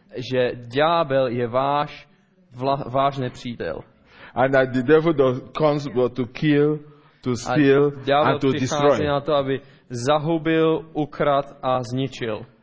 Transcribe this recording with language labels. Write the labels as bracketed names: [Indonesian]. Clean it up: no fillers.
[Czech] Že ďábel je váš nepřítel. [English] And that the devil comes to kill, to steal and to destroy. [Czech] Přichází na to, aby zahubil, ukradl a zničil.